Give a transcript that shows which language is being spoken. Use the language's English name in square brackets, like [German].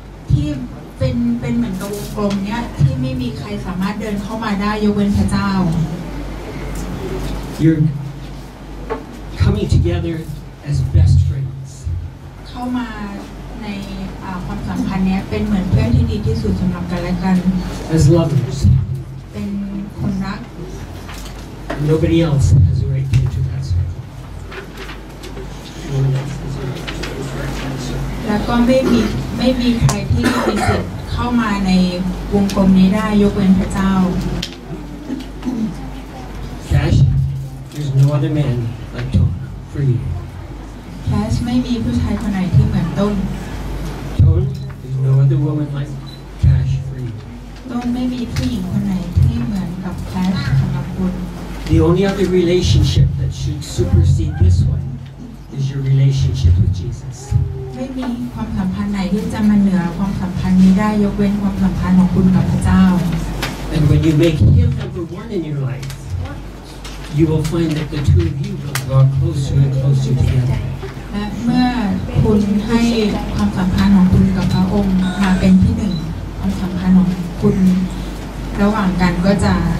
[Thai] ที่เป็นเหมือนกับวงกลมเนี่ยที่ไม่มีใครสามารถเดินเข้ามาได้ยกเว้นพระเจ้า [English] You're coming together as best friends [Thai] เข้ามาในความสัมพันธ์เนี้ยเป็นเหมือนเพื่อนที่ดีที่สุดสำหรับกันและกัน [English] As lovers [Thai] เป็นคนรัก [English] Nobody else has a right to enter that circle. No one else has a right to enter that circle. [Thai] แล้วก็ไม่มีใครที่มีสิทธิ์เข้ามาในวงกลมนี้ได้ยกเว้นพระเจ้า [English] Cash, there's no other man like Tom for you. [Thai] Cash, ไม่มีผู้ชายคนไหนที่เหมือนต้น [English] Tom, there's no other woman like Cash for you. [Thai] ต้นไม่มีผู้หญิงคนไหนที่เหมือนกับ Cash สำหรับคุณ [English] The only other relationship that should supersede this one is your relationship with Jesus. [Thai] ไม่มีความสัมพันธ์ไหนที่จะมาเหนือความสัมพันธ์นี้ได้ยกเว้นความสัมพันธ์ของคุณกับพระเจ้า [English] And when you make Him number one in your life, you will find that the two of you will draw closer and closer together. [Thai] และเมื่อคุณให้ความสัมพันธ์ของคุณกับพระองค์มาเป็นที่หนึ่งความสัมพันธ์ของคุณระหว่างกันก็จะ